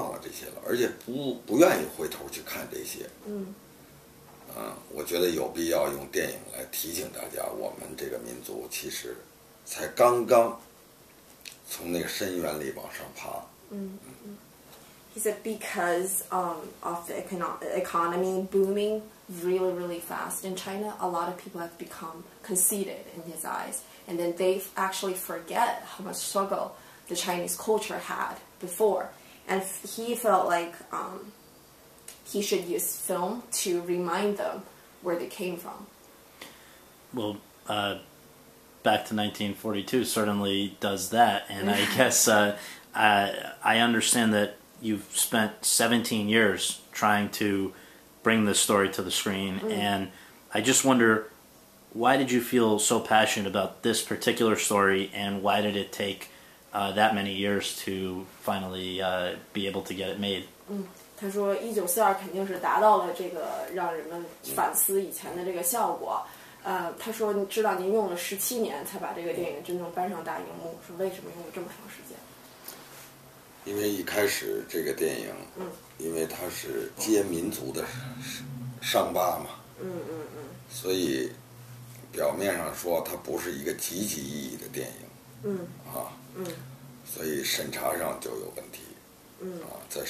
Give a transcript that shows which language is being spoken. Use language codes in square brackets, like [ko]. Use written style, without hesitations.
[zh] 好像觉得现在我们有钱了，很了不起了，经济发展了，所以其实大家就忘了我们实际上是一个特别灾难深重的一个民族，在整个世界的民族之林里头，可能中国中华民族承受的苦难是最重的、最深的，大家好像就忘了这些了，而且不愿意回头去看这些。我觉得有必要用电影来提醒大家，我们这个民族其实才刚刚从那个深渊里往上爬。嗯嗯 [en] ，He said because of the economy booming really really fast in China, a lot of people have become conceited in his eyes, and then they actually forget how much struggle the Chinese culture had before, and he felt like he should use film to remind them where they came from. Well, back to 1942 certainly does that, and I guess I understand that you've spent 17 years trying to bring this story to the screen, and I just wonder, why did you feel so passionate about this particular story, and why did it take that many years to finally be able to get it made? [zh] 他说，1942肯定是达到了这个让人们反思以前的这个效果。他说，知道您用了17年才把这个电影真正搬上大荧幕，是为什么用了这么长时间？因为一开始这个电影，因为它是揭民族的伤疤嘛。所以表面上说它不是一个积极意义的电影。在17年前我想拍的时候，那时候是不能够审查通过。